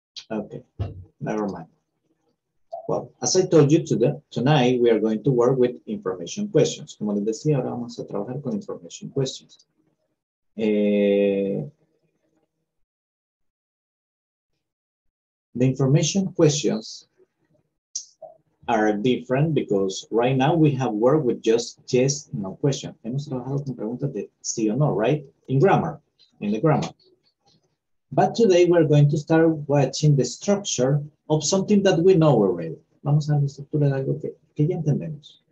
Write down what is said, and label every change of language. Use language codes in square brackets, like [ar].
[en] Okay, never mind. Well, as I told you today, tonight we are going to work with information questions. [es] Como les decía, ahora vamos a trabajar con [en] information questions. The information questions are different because right now we have worked with just yes, no question. [es] Hemos trabajado con preguntas de sí o no, right? [en] In grammar, in the grammar. But today we're going to start watching the structure of something that we know already. [es] Vamos a ver la estructura de algo que ya entendemos.